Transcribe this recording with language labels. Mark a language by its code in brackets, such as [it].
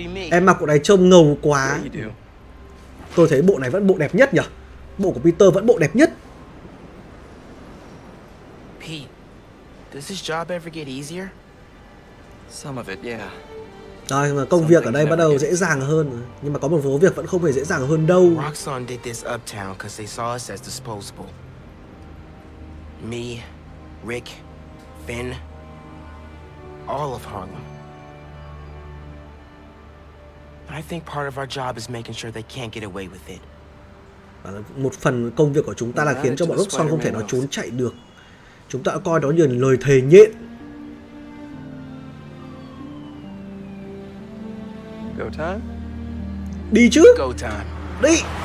[vi] Em mặc bộ này trông ngầu quá. Tôi thấy bộ này vẫn bộ đẹp nhất nhỉ. Bộ của Peter vẫn bộ đẹp nhất. Rồi, mà công việc ở đây bắt đầu dễ dàng hơn. Nhưng mà có một số việc vẫn không hề dễ dàng hơn đâu. [en] Roxxon did this uptown because they saw us as disposable. Me, Rick, Finn, all of Harlem. But I think part of our job is making sure they can't get away with it. [vi] Một phần công việc của chúng ta là khiến cho bọn Roxxon không thể nó trốn chạy được. Chúng ta coi đó như là lời thề nhện. [en] Go time. [vi] Đi chứ. [en] Go time. [vi] Đi.